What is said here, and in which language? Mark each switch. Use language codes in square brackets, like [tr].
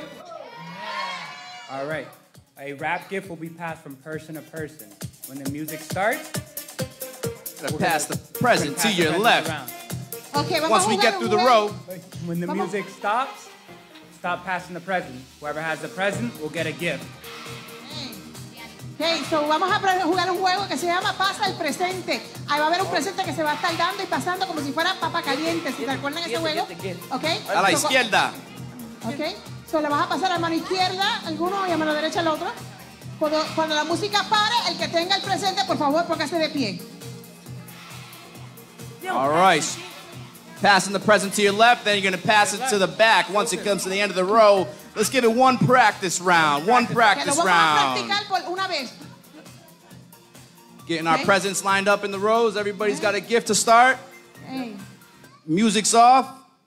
[en] Yeah. All right. A wrap gift will be passed from person to person. When the music starts, we're gonna pass the present to your left. Okay, once we get through the row. When the music stops, stop passing the present. Whoever has the present will get a gift. [es] Hey, so vamos a jugar un juego que se llama Pasa el Presente. Ahí va a haber un presente que se va a estar dando y pasando como si fuera papa caliente. ¿Se acuerdan ese juego? Okay. A la izquierda. [en] Okay. [es] So le vas a pasar a mano izquierda alguno y a mano derecha al otro. Cuando la música pare, el que tenga el presente, por favor, póngase de pie. [en] All right. passing the present to your left, then you're going to pass it to the back once it comes to the end of the row. Let's give it one practice round. One practice round. Getting our presents lined up in the rows. Everybody's got a gift to start. Music's off.